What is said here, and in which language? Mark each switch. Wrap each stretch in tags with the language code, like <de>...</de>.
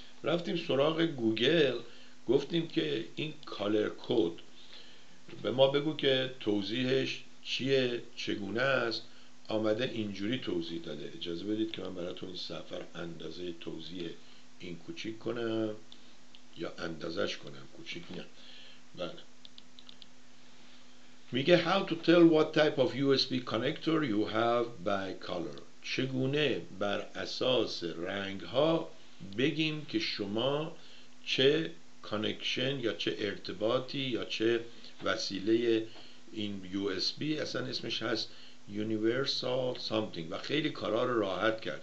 <fa>رفتیم سراغ گوگل، گفتیم که این کالر کد به ما بگو که توضیحش چیه، چگونه است. آمده اینجوری توضیح داده. اجازه بدید که من براتون این سفر اندازه توضیح این کوچیک کنم، یا اندازش کنم، کوچیک نه. بله، میگه</fa> <en>how to tell what type of USB connector you have by color.</en> <fa>چگونه بر اساس رنگ ها بگیم که شما چه کانکشن یا چه ارتباطی یا چه وسیله این USB، اصلا اسمش هست universal something، و خیلی کارا رو راحت کرد.</fa>